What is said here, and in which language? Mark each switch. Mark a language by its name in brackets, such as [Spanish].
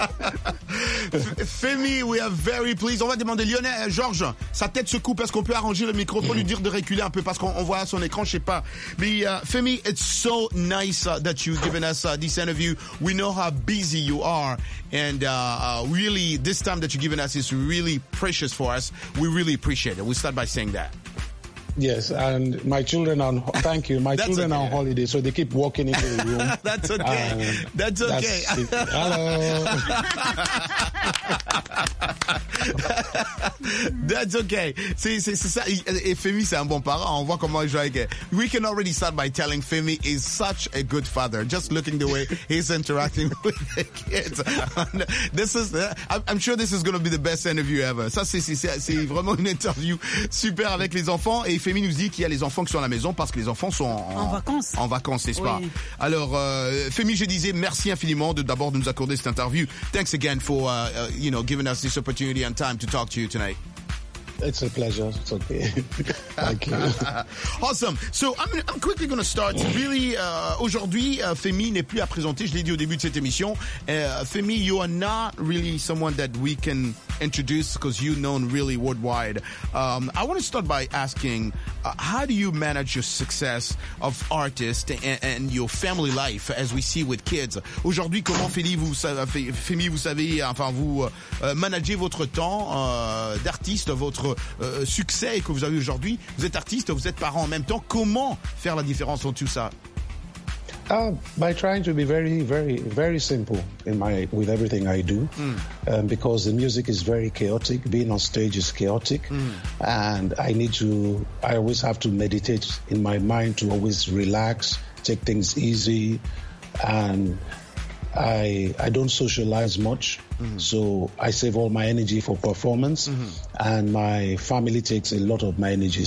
[English] Femi, we are very pleased. [French] On va demander Lionel, Georges, sa tête se coupe. Est-ce qu'on peut arranger le micro pour lui dire de reculer un peu parce qu'on voit son écran, je sais pas. [English] Mais Femi, it's so nice that you've given us this interview. We know how busy you are, and really, this time that you've given us is really precious for us. We really appreciate it. We start by saying that. Yes, and my children are on holiday, so they keep walking into the room. That's okay. That's okay. Hello. That's okay. [French] C'est ça. Et Femi, c'est un bon parent. On voit comment il joue avec. [English] We can already start by telling Femi is such a good father. Just looking the way he's interacting with the kids. This is, I'm sure this is going to be the best interview ever. [French] Ça, c'est vraiment une interview super avec les enfants. Et Femi nous dit qu'il y a les enfants qui sont à la maison parce que les enfants sont en vacances, n'est-ce pas? Oui. Alors, Femi, je disais merci infiniment d'abord de nous accorder cette interview. [English] Thanks again for, you know, giving us this opportunity and time to talk to you tonight. It's a pleasure. It's okay. Thank you. Awesome. So I'm quickly going to start. [French] Really, aujourd'hui, Femi n'est plus à présenter. Je l'ai dit au début de cette émission. [English] Femi, you are not really someone that we can introduce because you're known really worldwide. I want to start by asking, how do you manage your success of artist and your family life as we see with kids? [French] Aujourd'hui, comment Femi, vous managez votre temps d'artiste, votre succès que vous avez aujourd'hui. Vous êtes artiste, vous êtes parent en même temps. Comment faire la différence dans tout ça? [English] By trying to be very, very, very simple with everything I do, because the music is very chaotic. Being on stage is chaotic, and I always have to meditate in my mind to always relax, take things easy, and I don't socialize much, so I save all my energy for performance, and my family takes a lot of my energy.